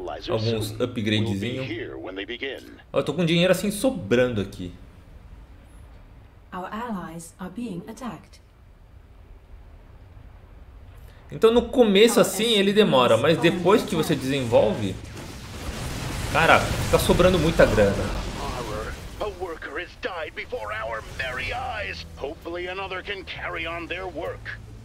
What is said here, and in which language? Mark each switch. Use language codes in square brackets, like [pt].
[pt] Alguns upgradezinho. Eu tô com dinheiro assim sobrando aqui. [en] Our allies are being attacked. [pt] Então no começo assim ele demora, mas depois que você desenvolve, cara, fica sobrando muita grana. [en] A worker has died before our merry eyes. Hopefully another can carry on their work.